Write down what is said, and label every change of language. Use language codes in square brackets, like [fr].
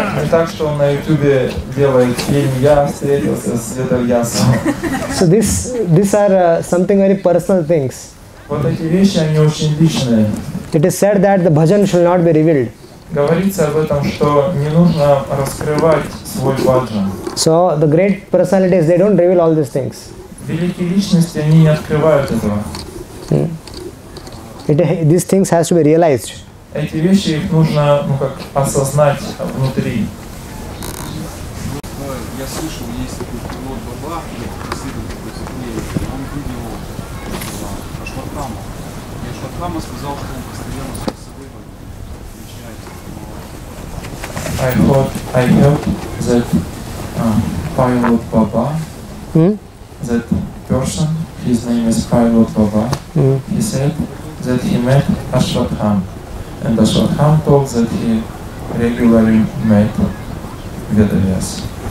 [ru] Так что на YouTube делает фильм Я встретился с Ведавьясом. [en] So these are something very personal things. [ru] Вот эти вещи они очень личные. [en] It is said that the bhajan should not be revealed. [ru] Говорится об этом, что не нужно раскрывать свой bhajan. [en] So the great personalities, they don't reveal all these things. [ru] Великие личности, они не открывают этого. [en] These things has to be realized. [ru] Эти вещи, их нужно, ну как, осознать внутри. Я слышал, есть такой пилот Баба, он видел Ашватхама. И Ашватхама сказал, что он постоянно с собой встречается. [en] I heard that Pilot Baba, that person, his name is Pilot Baba, he said that he met Ashwatthama, and Ashwatthama told that he regularly met Vedavyas.